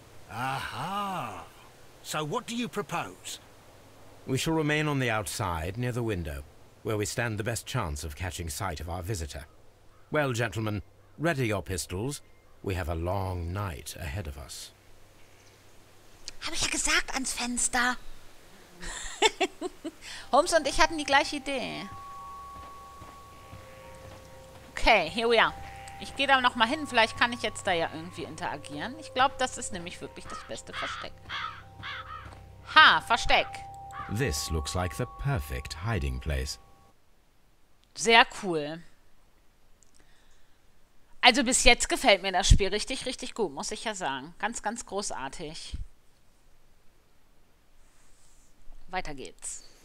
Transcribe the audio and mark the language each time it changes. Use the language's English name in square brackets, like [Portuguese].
[English] Aha! So what do you propose? We shall remain on the outside, near the window, where we stand the best chance of catching sight of our visitor. Well, gentlemen, ready your pistols. We have a long night ahead of us. [German] Habe ich ja gesagt, ans Fenster. Holmes und ich hatten die gleiche Idee. [English] Okay, here we are. [German] Ich gehe da nochmal hin. Vielleicht kann ich jetzt da ja irgendwie interagieren. Ich glaube, das ist nämlich wirklich das beste Versteck. Ha, Versteck. [English] This looks like the perfect hiding place. [German] Sehr cool. Also bis jetzt gefällt mir das Spiel richtig, richtig gut, muss ich ja sagen. Ganz, ganz großartig. Weiter geht's.